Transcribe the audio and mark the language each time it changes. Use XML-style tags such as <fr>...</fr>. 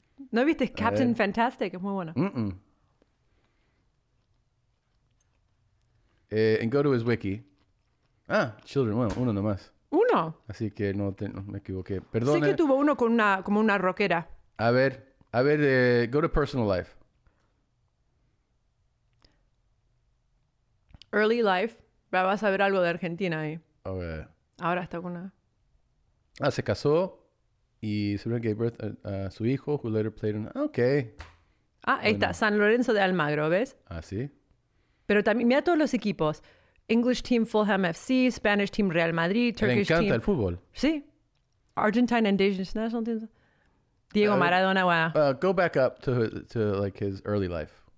<es>¿No viste Captain Fantastic? Es muy bueno.</es> <en>And go to his wiki. Ah, children.</en> <es>Bueno, uno nomás. ¿Uno? Así que no me equivoqué. Perdón. Sé que tuvo uno con una, como una rockera. A ver,</es> <en>go to personal life. Early life.</en> <es>Vas a ver algo de Argentina ahí. Ahora está con una. Ah, se casó.</es> <en>Y Serena gave birth</en> <es>a su hijo,</es> <en>who later played in... Ok.</en> <es>Ah, bueno. Ahí está. San Lorenzo de Almagro, ¿ves? Ah, sí. Pero también, mira todos los equipos.</es> <en>English team Fulham FC, Spanish team Real Madrid, Turkish team...</en> <es>Le encanta</es> <en>team.</en> <es>El fútbol.</es> <en>Sí. Argentine Indigenous National Teams. Diego Maradona, wow. Go back up to like his early life.</en>